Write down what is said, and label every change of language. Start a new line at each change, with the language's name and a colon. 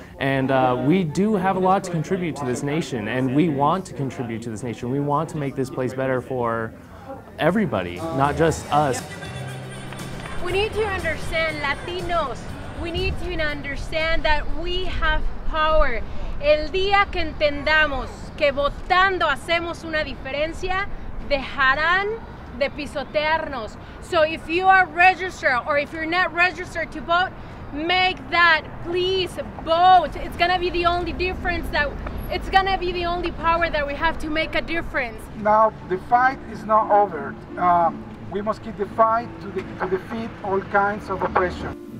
English: And we do have a lot to contribute to this nation, and we want to contribute to this nation. We want to make this place better for everybody, not just us. We need to understand Latinos. We need to understand that we have power.
Spanish: El día que entendamos que votando hacemos una diferencia, dejarán de pisotearnos.
English: So if you are registered or if you're not registered to vote, make that, please vote. It's gonna be the only difference that, it's gonna be the only power that we have to make a difference. Now, the fight is not over. We must keep the fight to defeat all kinds of oppression.